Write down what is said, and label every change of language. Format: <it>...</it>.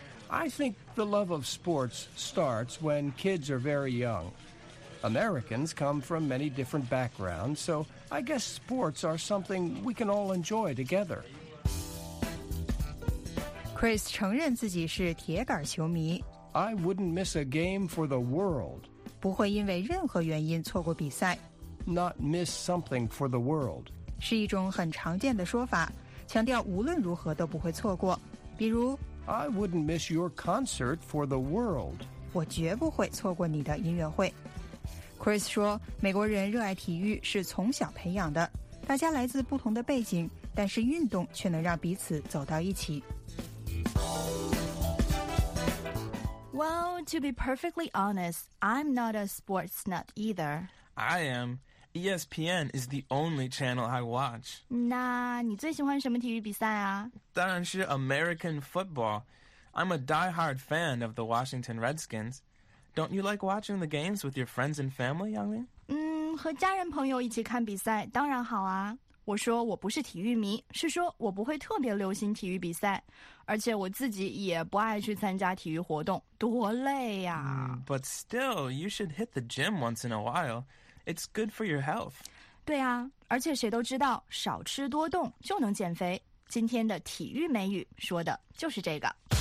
<en>I think the love of sports starts when kids are very young. Americans come from many different backgrounds, so I guess sports are something we can all enjoy together.</en> <zh>Chris 承认自己是铁杆球迷。</zh> <en>I wouldn't miss a game for the world.</en> <zh>不会因为任何原因错过比赛。</zh> <en>Not miss something for the world.</en> <zh>是一种很常见的说法，强调无论如何都不会错过。比如</zh> <en>I wouldn't miss your concert for the world.</en> <zh>我绝不会错过你的音乐会。Chris 说，美国人热爱体育是从小培养的，大家来自不同的背景，但是运动却能让彼此走到一起。</zh> <en>Well, to be perfectly honest, I'm not a sports nut either. I am. ESPN is the only channel I watch.</en> <zh>那你最喜欢什么体育比赛啊？当然是 American football.</zh> <en>I'm a diehard fan of the Washington Redskins. Don't you like watching the games with your friends and family, Yangling?</en> <zh>和家人朋友一起看比赛当然好啊。我说我不是体育迷，是说我不会特别留心体育比赛，而且我自己也不爱去参加体育活动，多累呀。</zh> <en>But still, you should hit the gym once in a while. It's good for your health.</en> <zh>对啊，而且谁都知道，少吃多动就能减肥。今天的体育美语说的就是这个。</zh>